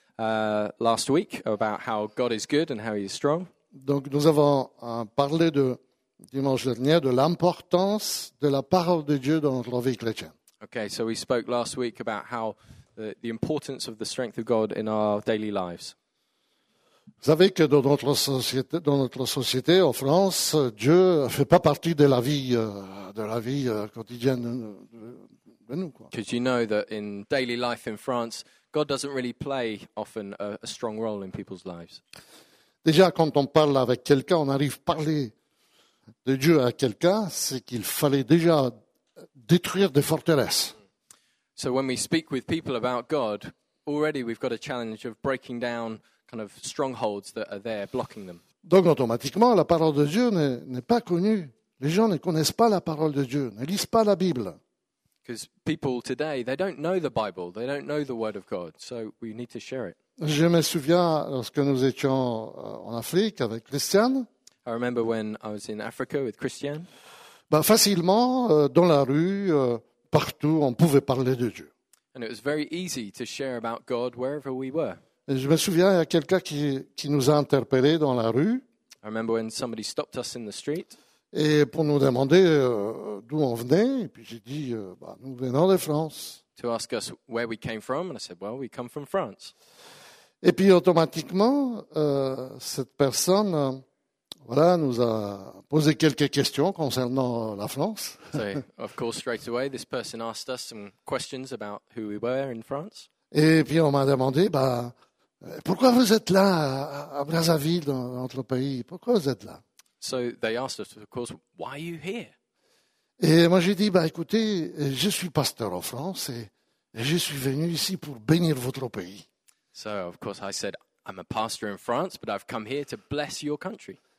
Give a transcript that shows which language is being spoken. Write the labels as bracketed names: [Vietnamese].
[English] Last week, about how God is good and how He is strong. [French] Donc, nous avons parlé de dimanche dernier de l'importance de la parole de Dieu dans notre vie chrétienne. [English] Okay, so we spoke last week about how the importance of the strength of God in our daily lives. [French] Vous savez que dans notre société, en France, Dieu ne fait pas partie de la vie quotidienne de nous. [English] Because you know that in daily life in France, God doesn't really play often a strong role in people's lives. [French] Déjà, quand on parle avec quelqu'un, on arrive à parler de Dieu à quelqu'un, c'est qu'il fallait déjà détruire des forteresses. [English] So when we speak with people about God, already we've got a challenge of breaking down kind of strongholds that are there, blocking them. [French] Donc automatiquement, la parole de Dieu n'est pas connue. Les gens ne connaissent pas la parole de Dieu, ne lisent pas la Bible. [English] Because people today, they don't know the Bible, they don't know the Word of God, so we need to share it. [French] Je me souviens lorsque nous étions en Afrique avec Christiane. [English] I remember when I was in Africa with Christiane. [French] Bah, facilement, dans la rue, partout, on pouvait parler de Dieu. [English] And it was very easy to share about God wherever we were. [French] Et je me souviens, il y a quelqu'un qui nous a interpellés dans la rue. [English] I remember when somebody stopped us in the street. [French] Et pour nous demander d'où on venait, et puis j'ai dit, nous venons de France. [English] To ask us where we came from, and I said, well, we come from France. [French] Et puis automatiquement, cette personne, nous a posé quelques questions concernant la France. [English] So, of course, straight away, this person asked us some questions about who we were in France. [French] Et puis on m'a demandé, pourquoi vous êtes là, à Brazzaville, dans notre pays, pourquoi vous êtes là? [English] So they asked us, of course, why are you here? [French] Et moi j'ai dit, écoutez, je suis pasteur en France et je suis venu ici pour bénir votre pays. [English] So, of course, I said, I'm a pastor in France, but I've come here to bless your country.